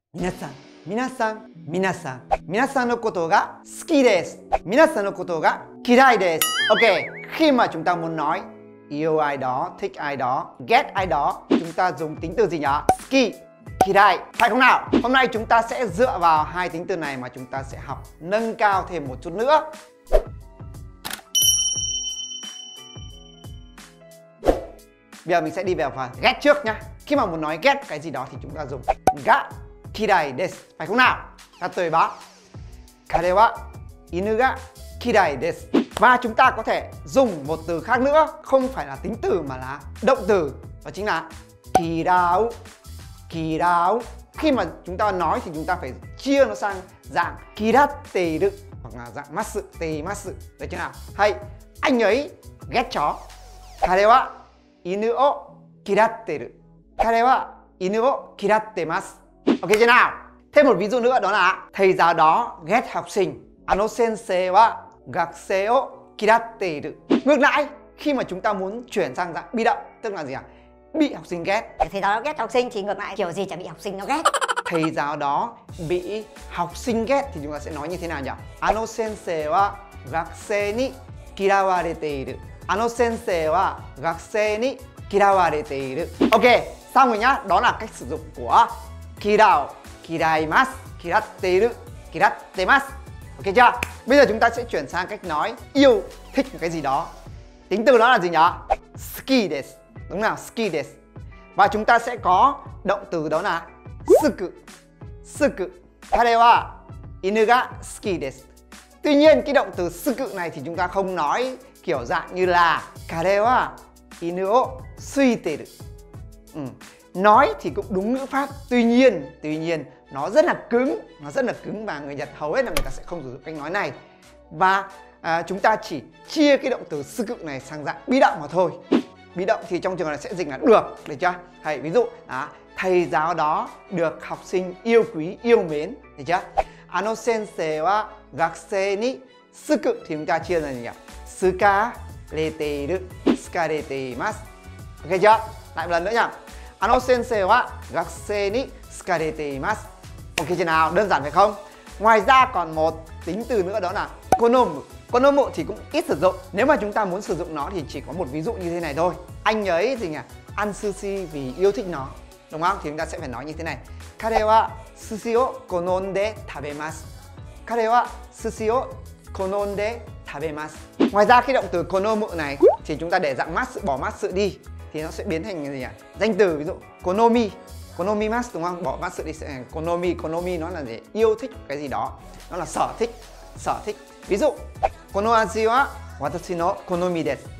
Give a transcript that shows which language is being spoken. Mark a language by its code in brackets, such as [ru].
[ja] 皆さんのことが好きです。皆さんのことが嫌いです。 [en] OK。 [vi] khi mà chúng ta muốn nói yêu ai đó, thích ai đó, ghét ai đó, chúng ta dùng tính từ gì nhỉ? 好き嫌い phải không nào? Hôm nay chúng ta sẽ dựa vào hai tính từ này mà chúng ta sẽ học nâng cao thêm một chút nữa. Bây giờ mình sẽ đi vào phần ghét trước nhá. Khi mà muốn nói ghét cái gì đó thì chúng ta dùng が嫌いです phải không nào? [ja] 例えば彼は犬が嫌いです。 [vi] Và chúng ta có thể dùng một từ khác nữa, không phải là tính từ mà là động từ, đó chính là 嫌う, 嫌う. Khi mà chúng ta nói thì chúng ta phải chia nó sang dạng 嫌っている hoặc là dạng 嫌っています, đó chính là hay anh ấy ghét chó. [ja] 彼は犬を嫌っている.彼は犬を嫌ってます. [vi] OK chưa nào? Thêm một ví dụ nữa đó là thầy giáo đó ghét học sinh. [ja] あの先生は学生を嫌っている. [vi] Ngược lại, khi mà chúng ta muốn chuyển sang dạng bị động, tức là gì ạ? Bị học sinh ghét. Thầy giáo đó ghét học sinh thì ngược lại kiểu gì chả bị học sinh nó ghét. Thầy giáo đó bị học sinh ghét thì chúng ta sẽ nói như thế nào nhỉ? [ja] あの先生は学生に嫌われている. あの先生は学生に嫌われている. [vi] OK, xong rồi nhá. Đó là cách sử dụng của 嫌う, 嫌います, 嫌っている, 嫌ってます. OK chưa? Bây giờ chúng ta sẽ chuyển sang cách nói yêu thích một cái gì đó. Tính từ đó là gì nhỉ? 好きです.Đúng nào? 好きです. Và chúng ta sẽ có động từ đó là 好く. [ja] 好く.彼は犬が好きです. [vi] Tuy nhiên cái động từ 好く này thì chúng ta không nói kiểu dạng như là [ja] 彼は犬を好いてる. [vi] Nói thì cũng đúng ngữ pháp. Tuy nhiên nó rất là cứng, nó rất là cứng và người Nhật hầu hết là người ta sẽ không sử dụng cách nói này. Và chúng ta chỉ chia cái động từ sư cự này sang dạng bị động mà thôi. Bị động thì trong trường hợp này sẽ dịch là được, được chưa? Hay ví dụ, thầy giáo đó được học sinh yêu quý, yêu mến, được chưa? [ja] あの先生は学生に好く [vi] thì chúng ta chia là gì nhỉ? [ja] 好かれている好かれています [vi] OK chưa? Lại một lần nữa nhỉ? [ja] あの先生は学生に好かれています。 [vi] OK chưa nào? Đơn giản phải không? Ngoài ra còn một tính từ nữa đó là 好む. 好むthì cũng ít sử dụng. Nếu mà chúng ta muốn sử dụng nó thì chỉ có một ví dụ như thế này thôi. Anh ấy gì nhỉ? Ăn sushi vì yêu thích nó. Đúng không? Thì chúng ta sẽ phải nói như thế này. [ja] 彼は寿司を好んで食べます.彼は寿司を好んで食べます. [vi] Ngoài ra cái động từ 好む này thì chúng ta để dạng ます, bỏ ますđi. Thì nó sẽ biến thành gì nhỉ? Danh từ, ví dụ konomi. Konomi masu đúng không? Bỏ masu đi sẽ thành konomi. Konomi nó là gì? Yêu thích cái gì đó. Nó là sở thích. Sở thích. Ví dụ [ja] kono aji wa watashi no konomi desu.